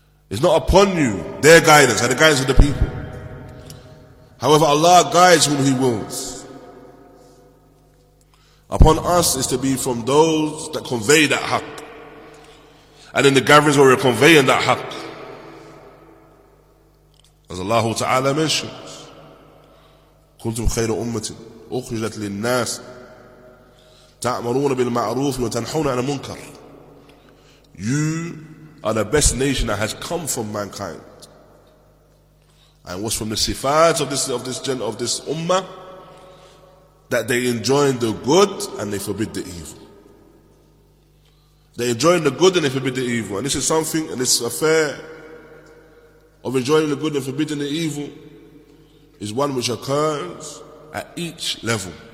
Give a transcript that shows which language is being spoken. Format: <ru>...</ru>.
<en>It's not upon you their guidance, and the guidance of the people. However, Allah guides whom He wills. Upon us is to be from those that convey that haqq. And in the gatherings where we're conveying that haqq, As Allah Ta'ala mentions,</en> <ar>كنتم خير أمة أخرجت للناس تأمرون بالمعروف وتنحون عن المنكر.</ar> <en>You are the best nation that has come from mankind. And what's from the sifat of this ummah? That they enjoin the good and they forbid the evil. They enjoin the good and they forbid the evil. And this is something, and this affair of enjoying the good and forbidding the evil is one which occurs at each level.</en>